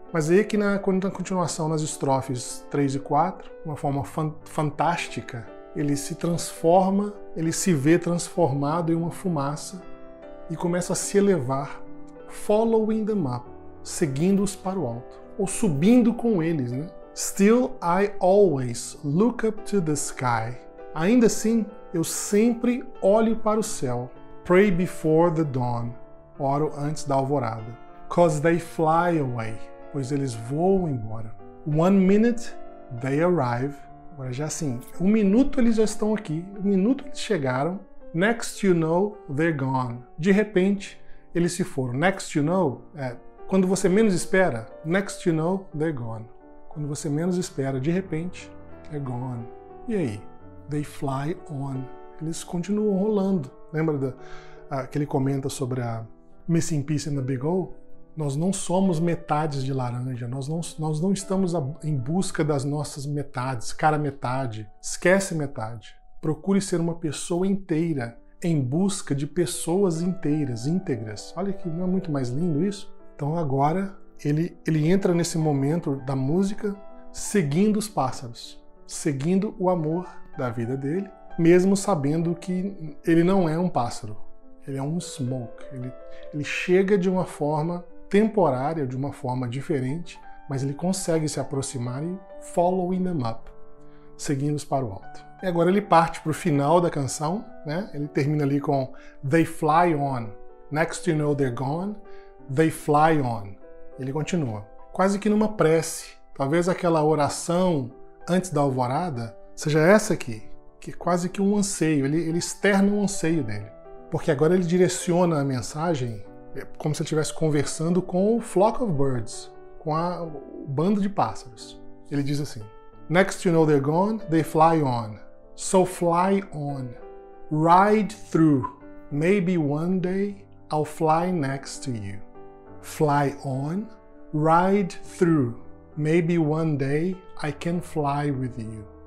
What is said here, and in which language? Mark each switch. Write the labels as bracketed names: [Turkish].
[Portuguese] Mas aí aqui na continuação, nas estrofes 3 e 4, uma forma fantástica, ele se transforma, ele se vê transformado em uma fumaça e começa a se elevar, [English] following them up, [Portuguese] seguindo-os para o alto, ou subindo com eles, né? [English] Still I always look up to the sky. [Portuguese] Ainda assim, eu sempre olho para o céu. [English] Pray before the dawn. [Portuguese] Oro antes da alvorada. [English] Cause they fly away. [Portuguese] Pois eles voam embora. [English] One minute, they arrive. [Portuguese] Agora já assim, um minuto eles já estão aqui. Um minuto eles chegaram. [English] Next you know, they're gone. [Portuguese] De repente, eles se foram. [English] Next you know, [Portuguese] é quando você menos espera. [English] Next you know, they're gone. [Portuguese] Quando você menos espera, de repente, [English] they're gone. [Portuguese] E aí? [English] They fly on. [Portuguese] Eles continuam rolando. Lembra que ele comenta sobre a Missing Piece in the Big O? Nós não somos metades de laranja. Nós não estamos em busca das nossas metades. Cara, metade. Esquece metade. Procure ser uma pessoa inteira em busca de pessoas inteiras, íntegras. Olha que não é muito mais lindo isso? Então agora ele entra nesse momento da música seguindo os pássaros. Seguindo o amor da vida dele, mesmo sabendo que ele não é um pássaro, ele é um smoke. Ele chega de uma forma temporária, de uma forma diferente, mas ele consegue se aproximar e [English] following them up, [Portuguese] seguindo-os para o alto. E agora ele parte para o final da canção, né? Ele termina ali com [English] they fly on, next you know they're gone, they fly on. [Portuguese] Ele continua, quase que numa prece, talvez aquela oração antes da alvorada, seja essa aqui, que é quase que um anseio, ele externa um anseio dele. Porque agora ele direciona a mensagem como se ele estivesse conversando com o [English] flock of birds, [Portuguese] com a bando de pássaros. Ele diz assim, [English] next you know they're gone, they fly on. So fly on, ride through. Maybe one day I'll fly next to you. Fly on, ride through. Maybe one day I can fly with you.